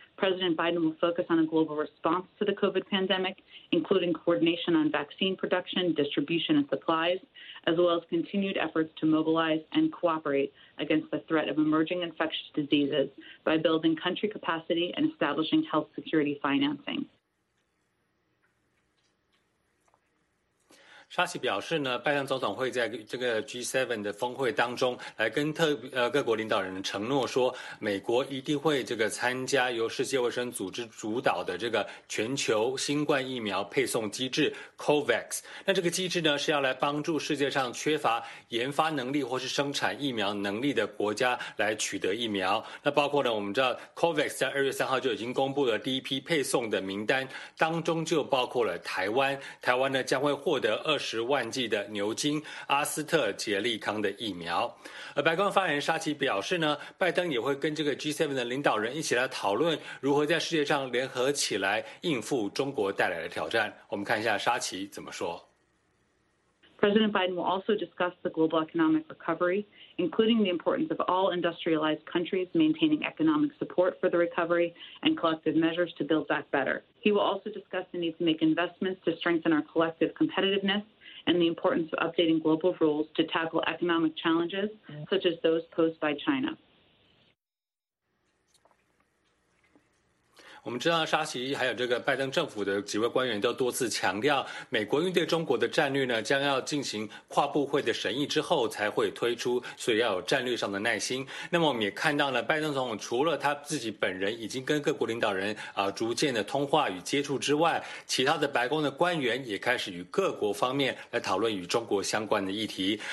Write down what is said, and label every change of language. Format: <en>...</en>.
<en>President Biden will focus on a global response to the COVID pandemic, including coordination on vaccine production, distribution, and supplies, as well as continued efforts to mobilize and cooperate against the threat of emerging infectious diseases by building country capacity and establishing health security financing.</en> <zh>沙奇表示呢，拜登总统会在这个 G7 的峰会当中来跟各国领导人承诺说，美国一定会这个参加由世界卫生组织主导的这个全球新冠疫苗配送机制 COVAX。那这个机制呢，是要来帮助世界上缺乏研发能力或是生产疫苗能力的国家来取得疫苗。那包括呢，我们知道 COVAX 在2月3号就已经公布了第一批配送的名单，当中就包括了台湾。台湾呢将会获得200,000剂的牛津阿斯特捷利康的疫苗。而白宫发言人沙奇表示呢，拜登也会跟这个 G7 的领导人一起来讨论如何在世界上联合起来应付中国带来的挑战。我们看一下沙奇怎么说。</zh> <en>President Biden will also discuss the global economic recovery, including the importance of all industrialized countries maintaining economic support for the recovery and collective measures to build back better. He will also discuss the need to make investments to strengthen our collective competitiveness and the importance of updating global rules to tackle economic challenges such as those posed by China.</en> <zh>我们知道沙奇还有这个拜登政府的几位官员都多次强调，美国应对中国的战略呢，将要进行跨部会的审议之后才会推出，所以要有战略上的耐心。那么我们也看到呢，拜登总统除了他自己本人已经跟各国领导人逐渐的通话与接触之外，其他的白宫的官员也开始与各国方面来讨论与中国相关的议题。</zh>